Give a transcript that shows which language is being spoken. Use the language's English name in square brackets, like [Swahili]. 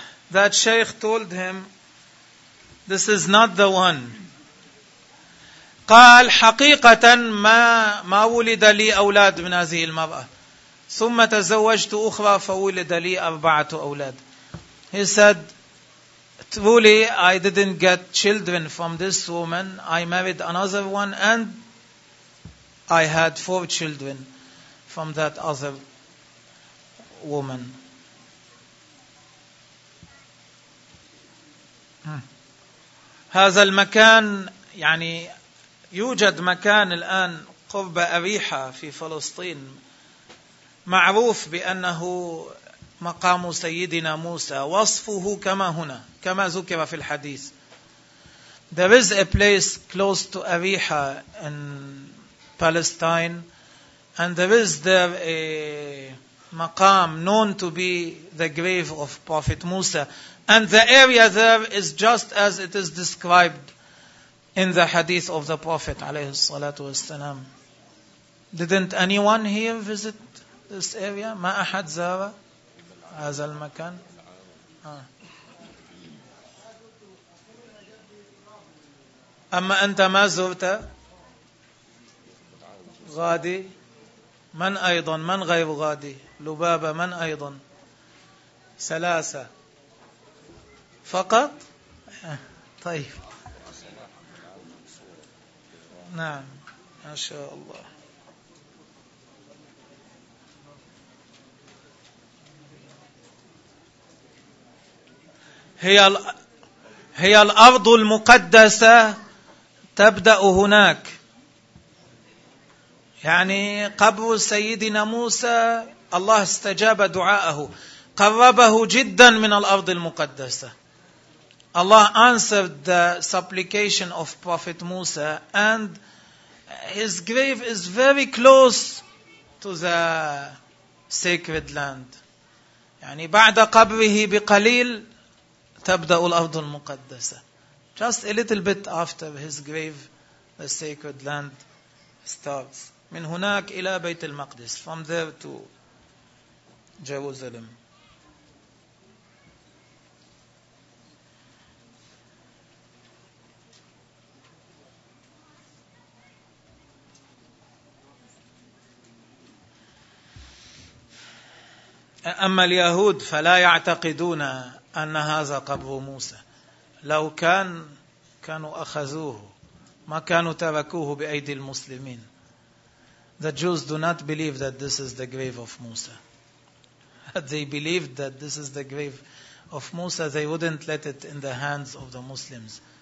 [English] That Shaykh told him, this is not the one. [Arabic] قال حقيقة ما ولد لي أولاد من هذه المرأة ثم تزوجت أخرى فولد لي أربعة أولاد. [English] He said, truly I didn't get children from this woman. I married another one and I had four children from that other woman. [Arabic] هذا المكان يعني يوجد مكان الآن قبة أريحة في فلسطين معروف بأنه مقام سيدنا موسى وصفه كما هنا كما ذكر في الحديث. [English] There is a place close to Ariha in Palestine and there is there a maqam known to be the grave of Prophet Musa and the area there is just as it is described in the hadith of the Prophet [Arabic] عليه الصلاة والسلام. [English] Didn't anyone here visit this area? [Arabic] ما أحد زار هذا المكان؟ أما أنت ما زرت غادي؟ من أيضا؟ من غير غادي؟ لبابة من أيضا؟ سلاسة فقط؟ طيب نعم ما شاء الله. هي الأرض المقدسة تبدأ هناك، يعني قبر سيدنا موسى الله استجاب دعاءه، قربه جدا من الأرض المقدسة. [English] Allah answered the supplication of Prophet Musa and his grave is very close to the sacred land. [Arabic] يعني بعد قبره بقليل تبدأ الأرض المقدسة. [English] Just a little bit after his grave, the sacred land starts. [Arabic] من هناك إلى بيت المقدس. [English] From there to Jerusalem. [Arabic] أما اليهود فلا يعتقدون أن هذا قبر موسى. لو كان كانوا أخذوه ما كانوا تركوه بأيدي المسلمين. [English] The Jews do not believe that this is the grave of Musa. Had they believed that this is the grave of Musa, they wouldn't let it in the hands of the Muslims.